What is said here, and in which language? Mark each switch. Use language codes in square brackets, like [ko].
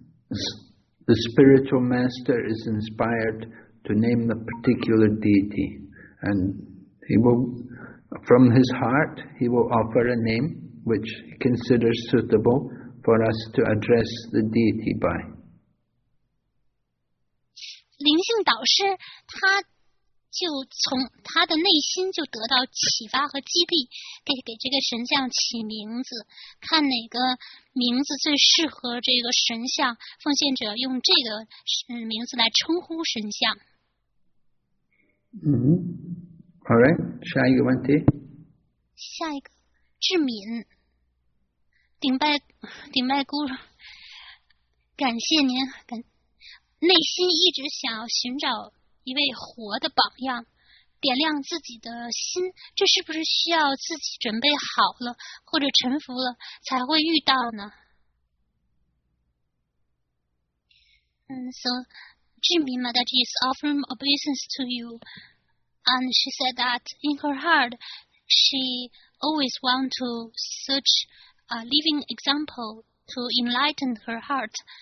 [en] The spiritual master is inspired to name the particular deity, and he will, from his heart, he will offer a name which he considers suitable for us to address the deity by. [zh] 灵性导师他就从他的内心就得到启发和激励，给这个神像起名字，看哪个名字最适合这个神像，奉献者用这个名字来称呼神像。嗯 ， [en] All right， [zh] 下一个问题。下一个，智敏，顶拜姑，感谢您感。内心一直想要寻找一位活的榜样，点亮自己的心，这是不是需要自己准备好了或者臣服了才会遇到呢？ [en] So, Jimmy Madaji is offering obeisance to you, and she said that in her heart, she always want to search a living example to enlighten her heart.